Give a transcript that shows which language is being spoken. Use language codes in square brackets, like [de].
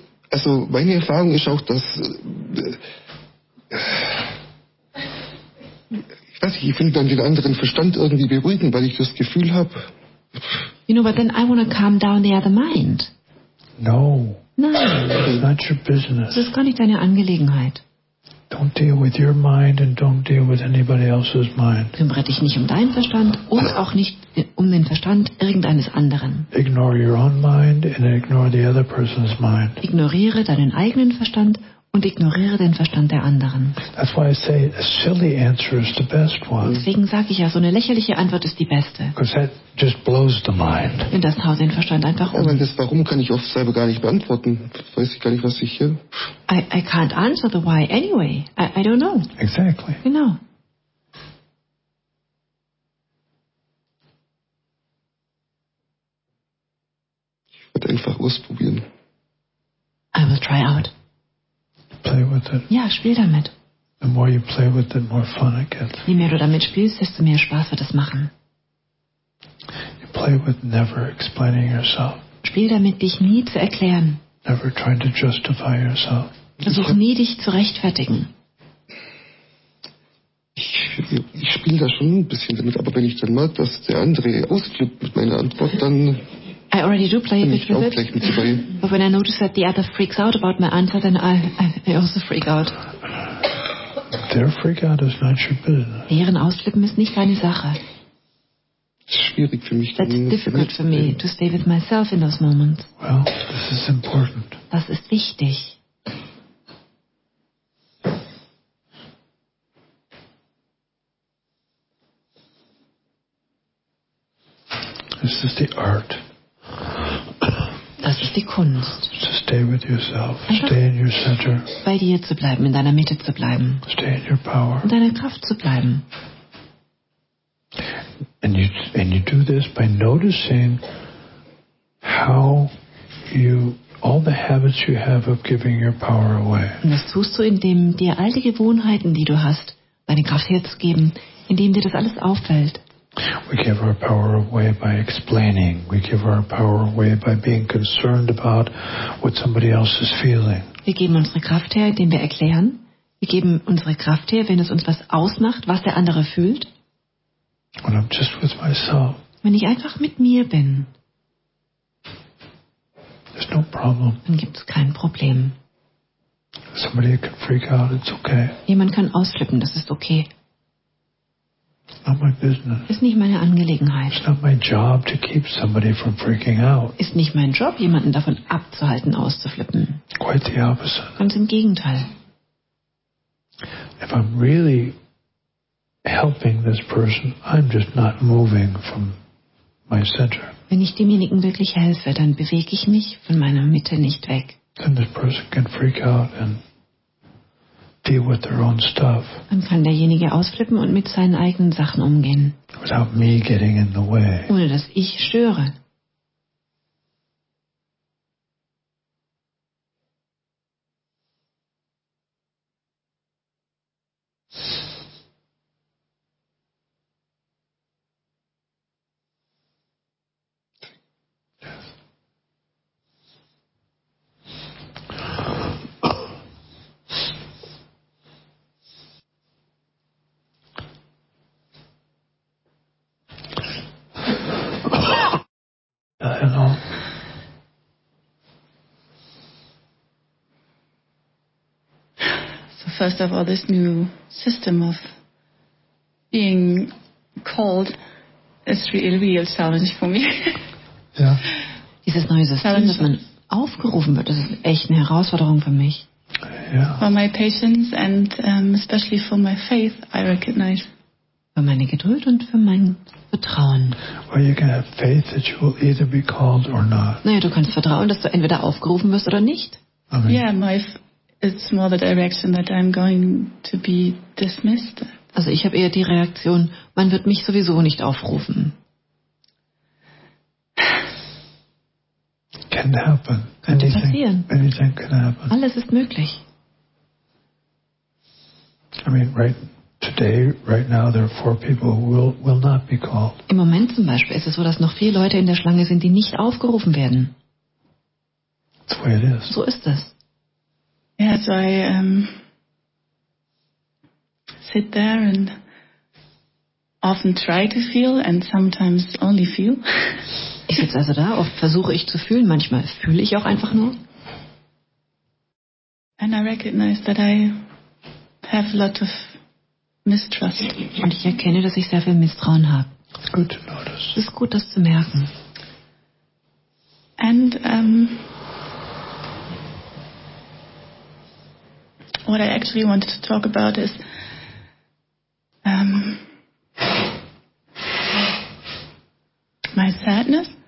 [de] Also meine Erfahrung ist auch, dass ich weiß nicht, ich finde dann den anderen Verstand irgendwie beruhigend, weil ich das Gefühl habe. [en] You know, but then I want to calm down the other mind. No. [de] Nein. [en] It's not your business. [de] Das ist gar nicht deine Angelegenheit. [en] Don't deal with your mind and don't deal with anybody else's mind. [de] Kümmere dich nicht um deinen Verstand und auch nicht um den Verstand irgendeines anderen. [en] Ignore your own mind and ignore the other person's mind. [de] Ignoriere deinen eigenen Verstand und ignoriere den Verstand der anderen. [en] That's why I say a silly answer is the best one. [de] Deswegen sage ich ja, so eine lächerliche Antwort ist die beste. [en] Because that just blows the mind. [de] Denn das haut den Verstand einfach um. Ja, das Warum kann ich oft selber gar nicht beantworten. Weiß ich gar nicht, was ich hier. [en] I can't answer the why anyway. I don't know. Exactly. [de] Genau. Ich würde einfach ausprobieren. [en] I will try out. Play with it. [de] Ja, spiel damit. [en] The more you play with it, more fun it gets. [de] Je mehr du damit spielst, desto mehr Spaß wird es machen. [en] You play with never explaining yourself. [de] Spiel damit, dich nie zu erklären. [en] Never trying to justify yourself. [de] Versuch nie, dich zu rechtfertigen. Ich spiele da schon ein bisschen damit, aber wenn ich dann merke, dass der andere ausflippt mit meiner Antwort, dann [en] I already do play a bit with it, but when I notice that the other freaks out about my answer, then I also freak out. Their freak out is not your business. [de] Deren Ausflippen ist nicht deine Sache. Schwierig für mich. [en] That's difficult for me to stay with myself in those moments. Well, this is important. [de] das ist wichtig. [en] This is the art. [de] Das ist die Kunst. [en] To stay with yourself. Stay in your center. [de] Bei dir zu bleiben, in deiner Mitte zu bleiben. [en] Stay in your power. [de] In deiner Kraft zu bleiben. [en] And you do this by noticing how you all the habits you have of giving your power away. [de] Und das tust du, indem dir all die Gewohnheiten, die du hast, deine Kraft herzugeben, indem dir das alles auffällt. [en] We give our power away by explaining. We give our power away by being concerned about what somebody else is feeling. [de] Wir geben unsere Kraft her, indem wir erklären. Wir geben unsere Kraft her, wenn es uns was ausmacht, was der andere fühlt. [en] When I'm just with myself. [de] Wenn ich einfach mit mir bin. [en] There's no problem. [de] Dann gibt's kein Problem. [en] Somebody can freak out, it's okay. [de] Jemand kann ausflippen, das ist okay. [en] Not my business. [de] Ist nicht meine Angelegenheit. [en] It's not my job to keep somebody from freaking out. [de] Ist nicht mein Job, jemanden davon abzuhalten, auszuflippen. [en] Quite the opposite. [de] Ganz im Gegenteil. [en] If I'm really helping this person, I'm just not moving from my center. [de] Wenn ich demjenigen wirklich helfe, dann bewege ich mich von meiner Mitte nicht weg. [en] Then this person can freak out and deal with their own stuff. [de] Dann kann derjenige ausflippen und mit seinen eigenen Sachen umgehen. [en] Without me getting in the way. [de] Ohne dass ich störe. [en] First of all, this new system of being called is really a real challenge for me. Yeah. [de] Dieses neue System, dass man aufgerufen wird, das ist echt eine Herausforderung für mich. [en] Yeah. For my patience and especially for my faith, I recognize. [de] Für meine Geduld und für mein Vertrauen. [en] Well, you can have faith that you will either be called or not. [de] Naja, du kannst vertrauen, dass du entweder aufgerufen wirst oder nicht. [en] I mean, yeah, my it's more the direction that I'm going to be dismissed. [de] Also ich habe eher die Reaktion, man wird mich sowieso nicht aufrufen. [en] Can happen. [de] Könnte passieren. [en] Anything can happen. [de] Alles ist möglich. [en] I mean, right today, right now, there are 4 people who will not be called. [de] Im Moment zum Beispiel ist es so, dass noch 4 Leute in der Schlange sind, die nicht aufgerufen werden. [en] That's the way it is. [de] So ist es. [en] Yeah, so I sit there and often try to feel and sometimes only feel. [de] Ich sitze also da, oft versuche ich zu fühlen, manchmal fühle ich auch einfach nur. [en] And I recognize that I have a lot of mistrust. [de] Und ich erkenne, dass ich sehr viel Misstrauen habe. [en] It's good to notice. [de] Es ist gut, das zu merken. [en] And what I actually wanted to talk about is my sadness.